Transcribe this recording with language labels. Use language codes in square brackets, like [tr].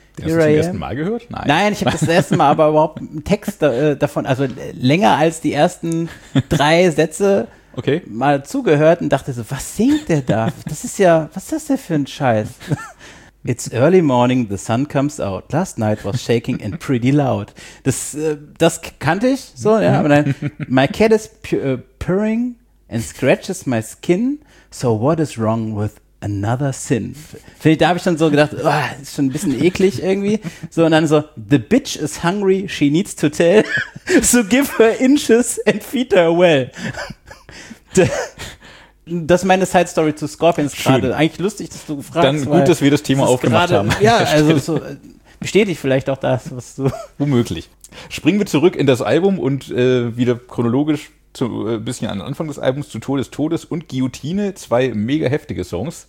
[de] Den hast du zum ersten Mal gehört? Nein, ich habe das erste Mal aber überhaupt einen Text davon, also länger als die ersten drei Sätze mal zugehört und dachte so, was singt der da? Das ist ja, was ist das denn für ein Scheiß? [en] It's early morning, the sun comes out. Last night was shaking and pretty loud. [de] Das kannte ich so, ja. Aber dann, [en] my cat is purring and scratches my skin, so what is wrong with another sin. [de] Vielleicht, da habe ich dann so gedacht, oh, ist schon ein bisschen eklig irgendwie. So, und dann so, [en] the bitch is hungry, she needs to tell, so give her inches and feed her well. [de] Das ist meine Side Story zu Scorpions gerade. Eigentlich lustig, dass du fragst. Dann gut, dass wir das Thema aufgemacht haben. Ja, also so, bestätigt vielleicht auch das, was du. Womöglich. Springen wir zurück in das Album und wieder chronologisch. Ein bisschen an den Anfang des Albums, zu Todes, Todes und Guillotine, zwei mega heftige Songs.